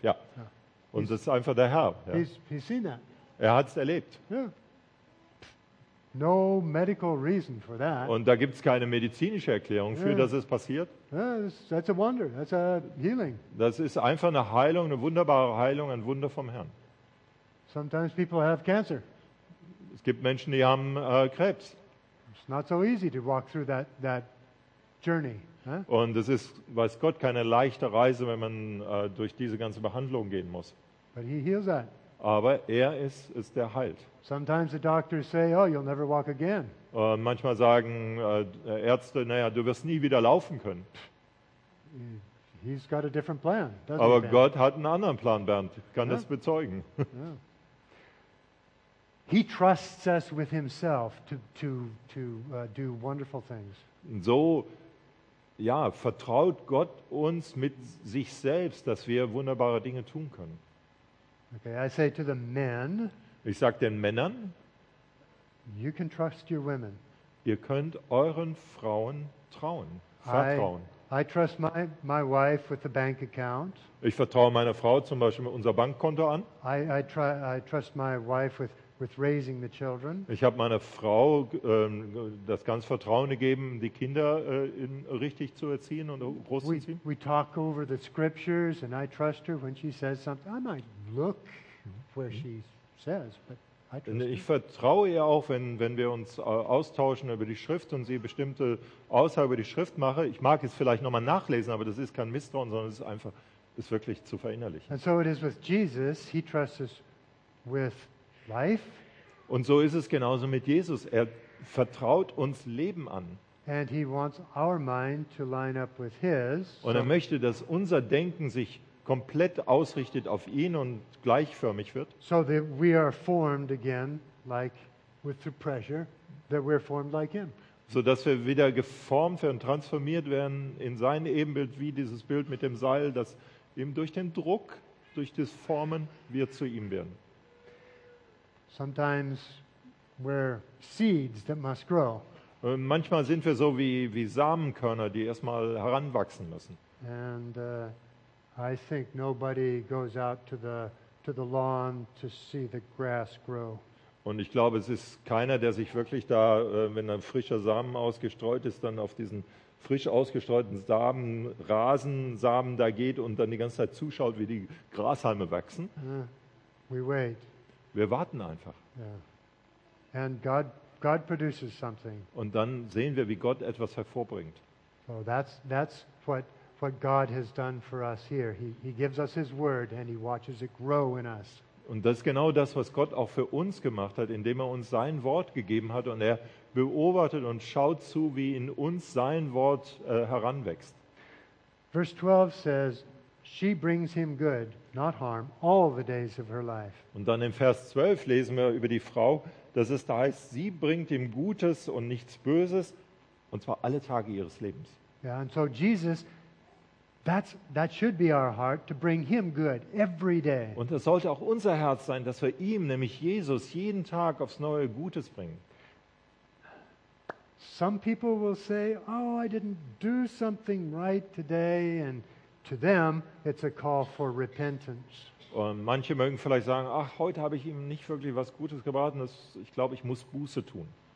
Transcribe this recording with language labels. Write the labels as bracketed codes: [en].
[de] Ja, und das ist einfach der Herr. Ja. [en] He's seen that. [de] Er hat es erlebt. [en] Yeah. No medical reason for that. [de] Und da gibt's keine medizinische Erklärung für, dass es passiert. [en] That's a wonder. That's a healing. [de] Das ist einfach eine Heilung, eine wunderbare Heilung, ein Wunder vom Herrn. [en] Sometimes people have cancer. [de] Es gibt Menschen, die haben Krebs. [en] It's not so easy to walk through that journey. Huh? [de] Und es ist, weiß Gott, keine leichte Reise, wenn man durch diese ganze Behandlung gehen muss. [en] But he heals that. [de] Aber er ist der Halt. [en] Sometimes the doctors say, oh, you'll never walk again. [de] Und manchmal sagen Ärzte, naja, du wirst nie wieder laufen können. [en] He's got a different plan, doesn't he, Bernd? [de] Aber Gott hat einen anderen Plan, Bernd. Ich kann das bezeugen. [en] He trusts us with himself to do wonderful things. [de] So, ja, vertraut Gott uns mit sich selbst, dass wir wunderbare Dinge tun können. [en] Okay, I say to the men. [de] Ich sag den Männern. [en] You can trust your women. [de] Ihr könnt euren Frauen vertrauen. [en] I trust my wife with the bank account. [de] Ich vertraue meiner Frau zum Beispiel mit unser Bankkonto an. [en] I trust my wife with raising the children. [de] Ich habe meiner Frau das ganze Vertrauen gegeben, die Kinder richtig zu erziehen und großzuziehen. [en] We talk over the scriptures and I trust her when she says something. I might look where she says, but I trust her. [de] Ich vertraue ihr auch, wenn wir uns austauschen über die Schrift und sie bestimmte Aussagen über die Schrift mache. Ich mag es vielleicht nochmal nachlesen, aber das ist kein Misstrauen, sondern es ist wirklich zu verinnerlichen. [en] And so it is with Jesus. He trusts us with life. [de] Und so ist es genauso mit Jesus. Er vertraut uns Leben an. [en] And he wants our mind to line up with his. [de] Und er möchte, dass unser Denken sich komplett ausrichtet auf ihn und gleichförmig wird. [en] So that we are formed again, like with the pressure, that we're formed like him. [de] So dass wir wieder geformt werden, transformiert werden in sein Ebenbild, wie dieses Bild mit dem Seil, dass eben durch den Druck, durch das Formen, wir zu ihm werden. [en] Sometimes we're seeds that must grow. [de] Und manchmal sind wir so wie Samenkörner, die erstmal heranwachsen müssen. [en] And I think nobody goes out to the lawn to see the grass grow. [de] Und ich glaube, es ist keiner, der sich wirklich da, wenn ein frischer Samen ausgestreut ist, dann auf diesen frisch ausgestreuten Samen, Rasensamen da geht und dann die ganze Zeit zuschaut, wie die Grashalme wachsen. [en] We wait. [de] Wir warten einfach. [en] Yeah. And God produces something. [de] Und dann sehen wir, wie Gott etwas hervorbringt. [en] So that's what God has done for us here. He gives us his word and he watches it grow in us. [de] Und das ist genau das, was Gott auch für uns gemacht hat, indem er uns sein Wort gegeben hat und er beobachtet und schaut zu, wie in uns sein Wort heranwächst. [en] Verse 12 says, she brings him good, not harm, all the days of her life. [de] Und dann im Vers 12 lesen wir über die Frau, dass es da heißt, sie bringt ihm Gutes und nichts Böses, und zwar alle Tage ihres Lebens. [en] Yeah, and so Jesus, that should be our heart, to bring him good every day. [de] Und das sollte auch unser Herz sein, dass wir ihm, nämlich Jesus, jeden Tag aufs Neue Gutes bringen. [en] Some people will say, oh, I didn't do something right today, and to them, it's a call for repentance. [de] Und manche mögen vielleicht sagen, ach, heute habe ich ihm nicht wirklich was Gutes gebracht, und ich glaube, ich muss Buße tun.